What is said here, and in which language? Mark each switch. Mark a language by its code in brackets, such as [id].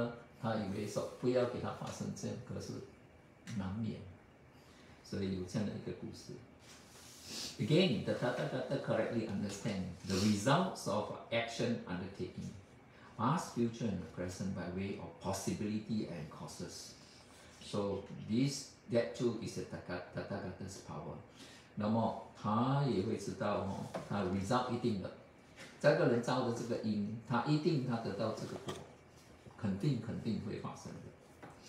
[zh] 因为他的嗔恨心，那个对佛陀，所以呢，一定会发生的。那佛陀讲一定，那么可是那些人知道了呢，他以为说不要给他发生这样，可是。难免，所以有这样的一个故事。 [en] Again, the Tathagata correctly understand the results of action undertaking, past, future, and present by way of possibility and causes. So this, that too is the Tathagata's power. [zh] 那么他也会知道，他 result 一定的，这个人造的这个因，他一定他得到这个果，肯定会发生的。